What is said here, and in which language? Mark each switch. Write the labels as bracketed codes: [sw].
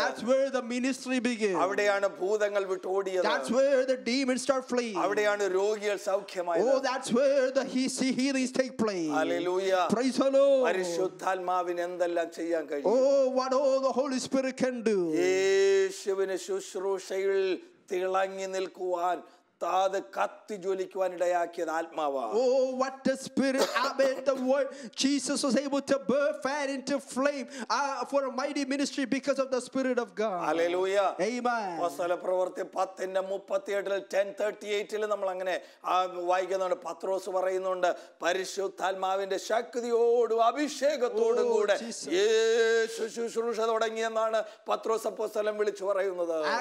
[en] That's where the ministry began. [ml] അവിടെയാണ് ഭൂതങ്ങൾ വിട്ടോടിയത് [en] That's where the demons start fleeing. [ml] അവിടെയാണ് രോഗികൾ സൗഖ്യമായത് [en] Oh, that's where the healings take place. Hallelujah. Praise the Lord. [ml] പരിശുദ്ധാത്മാവിനെ എന്തെല്ലാം ചെയ്യാൻ കഴിയും [en] oh what all the holy spirit can do [ml] യേശുവിനെ ശുശ്രൂഷയിൽ തിളങ്ങി നിൽക്കുവാൻ താത് കത്തി ജ്വലിക്കുവാൻ ഇടയാക്കിയത് ആത്മാവാണ്. [en] Oh, what the spirit happened, the word Jesus was able to birth fire into flame for a mighty ministry because of the spirit of God. Hallelujah. Amen. [ml] പസ്തല പ്രവൃത്തി 10:38 നമ്മൾ അങ്ങനെ വായിക്കുന്നുണ്ട്. പത്രോസ് പറയുന്നുണ്ട്, പരിശുദ്ധാത്മാവിന്റെ ശക്തിയോടും അഭിഷേകത്തോടും കൂടെ യേശു ശുശ്രൂഷ തുടങ്ങിയെന്നാണ് പത്രോസ് അപ്പോസ്തലൻ വിളിച്ചു പറയുന്നത്.